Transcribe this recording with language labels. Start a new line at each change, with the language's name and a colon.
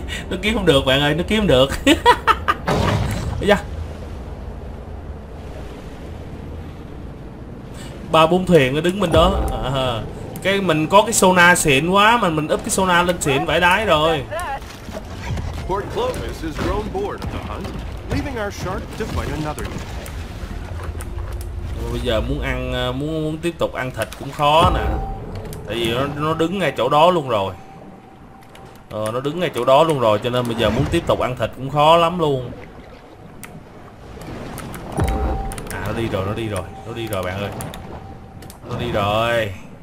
Vietnamese: Nó kiếm không được bạn ơi, nó kiếm được. Ây da. Ba bốn thuyền ở đứng bên đó à, cái mình có cái sona xịn quá mà mình úp cái sona lên xịn vãi đái rồi.
English: Port Clovis has grown bored of the hunt, leaving our shark to fight another.
Vietnamese: Bây giờ muốn ăn, muốn tiếp tục ăn thịt cũng khó nè, tại vì nó đứng ngay chỗ đó luôn rồi. Nó đứng ngay chỗ đó luôn rồi cho nên bây giờ muốn tiếp tục ăn thịt cũng khó lắm luôn. À nó đi rồi bạn ơi. Nó đi rồi.